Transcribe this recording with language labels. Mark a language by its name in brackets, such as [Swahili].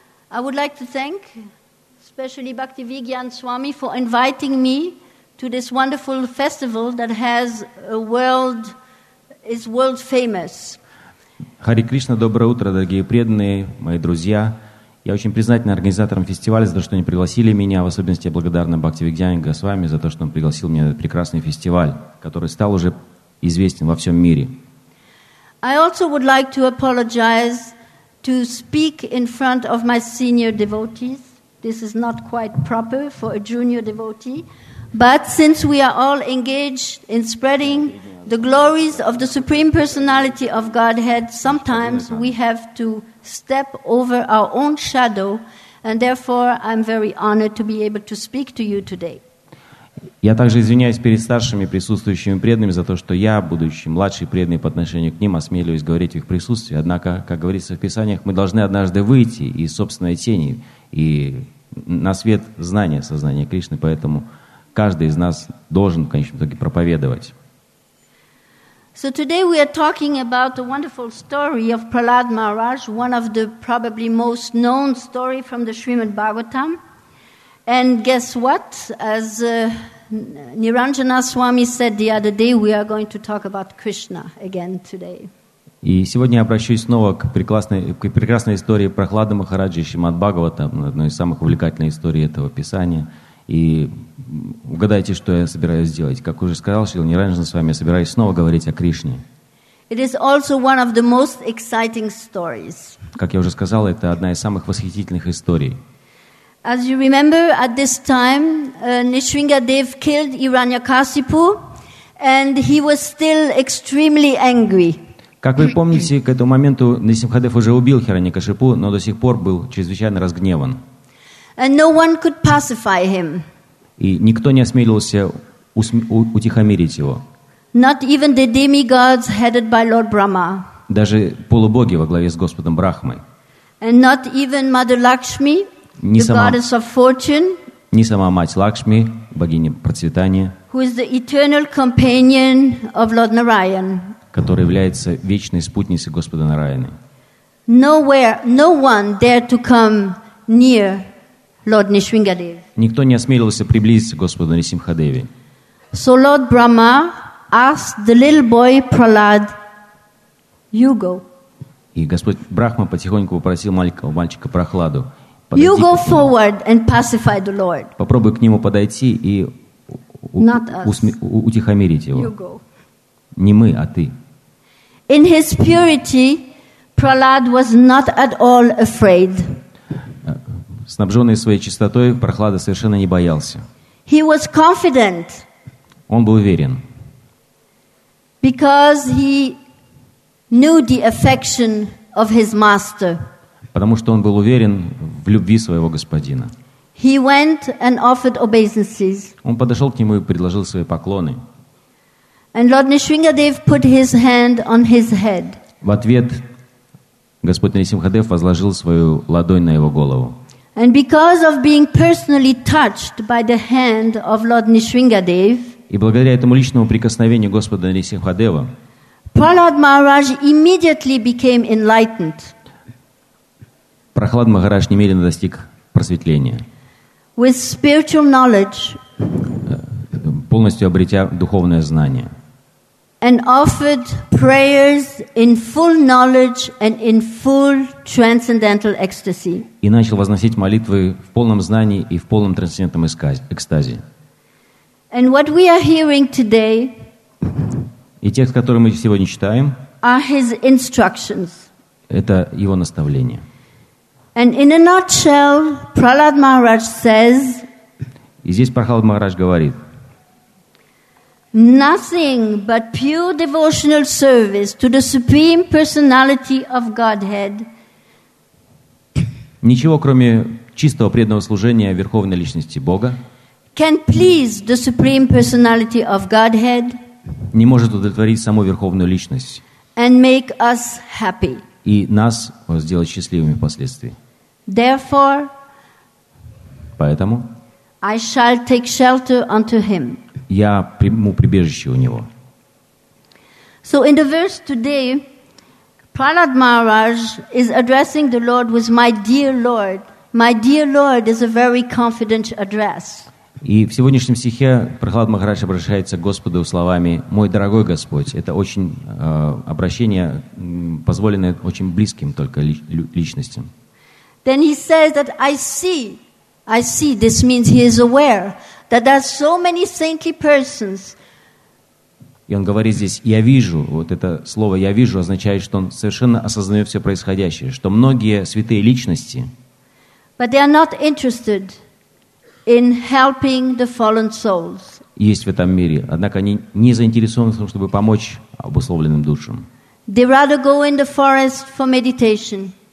[English] I would like to thank especially Bhakti Vigyan Swami for inviting me to this wonderful festival that has a world, is world famous. [Russian] Hare Krishna, доброе утро, дорогие преданные, мои друзья. Я очень признателен организаторам фестиваля за то, что они пригласили меня, в особенности я благодарна Бхакти Вигьян Госвами за то, что он пригласил меня на этот прекрасный фестиваль, который стал уже известен во всем мире. [English] I also would like to apologize to speak in front of my senior devotees. This is not quite proper for a junior devotee. But since we are all engaged in spreading the glories of the Supreme Personality of Godhead, sometimes we have to step over our own shadow, and therefore I'm very honored to be able to speak to you today. [Russian] Я также извиняюсь перед старшими присутствующими преданными за то, что я, будучи младший преданный по отношению к ним, осмеливаюсь говорить в их присутствии. Однако, как говорится в Писаниях, мы должны однажды выйти из собственной тени и на свет знания сознания Кришны, поэтому каждый из нас должен в конечном итоге проповедовать. [English] So today we are talking about a wonderful story of Prahlad Maharaj, one of the probably most known story from the Srimad Bhagavatam. And guess what? As Niranjana Swami said the other day, we are going to talk about Krishna again today. [Russian] И сегодня я обращусь снова к прекрасной истории Прахлады Махараджи Шримад Бхагаватам, одной из самых увлекательных историй этого писания. И угадайте, что я собираюсь сделать. Как уже сказал Шрила Ниранджана Свами, я собираюсь снова говорить о Кришне. [English] It is also one of the most exciting stories. [Russian] Как я уже сказал, это одна из самых восхитительных историй. [English] As you remember, at this time, Nrisimhadev killed Hiranyakasipu, and he was still extremely angry. [Russian] Как вы помните, к этому моменту Нрисимхадев уже убил Хираньякасипу, но до сих пор был чрезвычайно разгневан. [English] And no one could pacify him. [Russian] И никто не осмелился утихомирить его. [English] Not even the demigods headed by Lord Brahma. [Russian] Даже полубоги во главе с Господом Брахмой. [English] And not even Mother Lakshmi. [Russian] Не сама мать Лакшми, богиня процветания, [English] who is the eternal companion of Lord Narayan, [Russian] которая является вечной спутницей Господа Нараяны. [English] Nowhere, no one dared to come near Lord Nrisimhadev. [Russian] Никто не осмелился приблизиться к Господу Нрисимхадеве. [English] So Lord Brahma asked the little boy Prahlad, "You go." [Russian] И Господь Брахма потихоньку попросил маленького мальчика Прохладу. [English] You go forward and pacify the Lord. [Russian] Попробуй к нему подойти и утихомирить его. Не мы, а ты. [English] In his purity, Prahlad was not at all afraid. [Russian] Снабженный своей чистотой, Прохлада совершенно не боялся. [English] He was confident. [Russian] Он был уверен. [English] Because he knew the affection of his master. [Russian] Потому что он был уверен в любви своего господина. [English] He went and offered obeisances. [Russian] Он подошел к нему и предложил свои поклоны. [English] And Lord Nishringadev put his hand on his head. [Russian] В ответ Господь Нарисимхадев возложил свою ладонь на его голову. [English] And because of being personally touched by the hand of Lord Nishringadev, [Russian] и благодаря этому личному прикосновению Господа Нарисимхадева, [English] Prahlad Maharaj immediately became enlightened. [Russian] Прохлад Махарадж немедленно достиг просветления. [English] With spiritual knowledge, [Russian] полностью обретя духовное знание. [English] And offered prayers in full knowledge and in full transcendental ecstasy. [Russian] И начал возносить молитвы в полном знании и в полном трансцендентном экстазе. [English] And what we are hearing today, [Russian] и текст, который мы сегодня читаем, [English] are his instructions. [Russian] Это его наставление. [English] And in a nutshell, Prahlad Maharaj says, [Russian] и здесь Прохлад Махарадж говорит, [English] nothing but pure devotional service to the Supreme Personality of Godhead. [Russian] Ничего, кроме чистого преданного служения Верховной Личности Бога, [English] can please the Supreme Personality of Godhead, [Russian] не может удовлетворить саму Верховную Личность, [English] and make us happy, [Russian] и нас сделать счастливыми впоследствии. [English] Therefore, [Russian] поэтому, [English] I shall take shelter unto him. [Russian] Я приму прибежище у него. [English] So in the verse today, Prahlad Maharaj is addressing the Lord with "My dear Lord." My dear Lord is a very confident address. [Russian] И в сегодняшнем стихе Прохлад Махарадж обращается к Господу словами «Мой дорогой Господь». Это очень обращение, позволенное очень близким только личностям. [English] Then he says that I see, this means he is aware that there are so many saintly persons. [Russian] И он говорит здесь «Я вижу», вот это слово «я вижу» означает, что он совершенно осознает все происходящее, что многие святые личности, [English] but they are not interested in helping the fallen souls. [Russian] Есть в этом мире, однако они не заинтересованы в том, чтобы помочь обусловленным душам. [English] They rather go in the forest for meditation.